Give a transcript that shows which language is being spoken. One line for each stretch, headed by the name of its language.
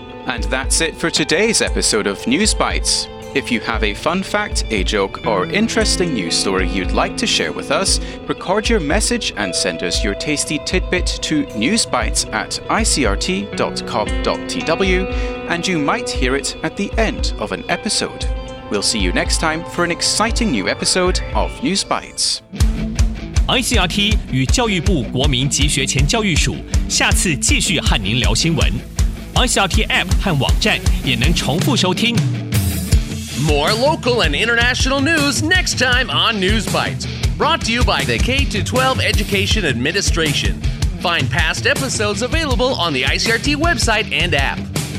English: And that's it for today's episode of News Bites. If you have a fun fact, a joke, or interesting news story you'd like to share with us, record your message and send us your tasty tidbit to newsbites@icrt.com.tw, and you might hear it at the end of an episode. We'll see you next time for an exciting new episode of News Bites.
Chinese: ICRT 与教育部国民及学前教育署下次继续和您聊新闻。 ICRT App 和网站也能重复收听。
English: More local and international news next time on News Bites. Brought to you by the K-12 Education Administration. Find past episodes available on the ICRT website and app.